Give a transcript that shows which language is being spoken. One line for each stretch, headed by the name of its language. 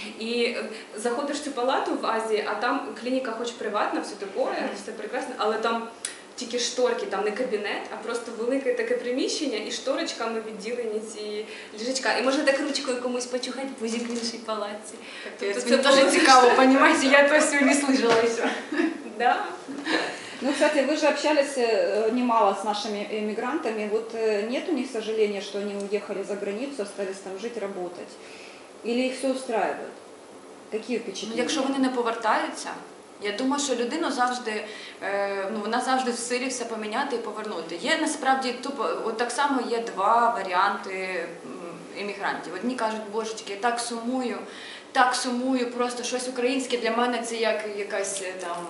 Ukrainian: І заходиш в цю палату в Азії, а там клініка хоч приватна, все таке, все прекрасно, але там тільки шторки, там не кабінет, а просто велике таке приміщення і шторочками відділені ці ліжечка. І можна так ручкою комусь почухати пузик в іншій палаці. Тобто, це дуже цікаво, розумієте, я то сьогодні слижалася.
Russian: Да. Ну, кстати, вы же общались немало с нашими эмигрантами. Вот нет у них сожаления, что они уехали за границу, остались там жить, работать? Или их все устраивает? Какие впечатления?
Ukrainian: Якщо вони не повертаються, я думаю, що людина завжди, ну, вона завжди в силі все поміняти і повернути. Є насправді, тупо, от так само є два варіанти емігрантів. Одні кажуть, божечки, я так сумую. так сумую, просто щось українське для мене це як якась там...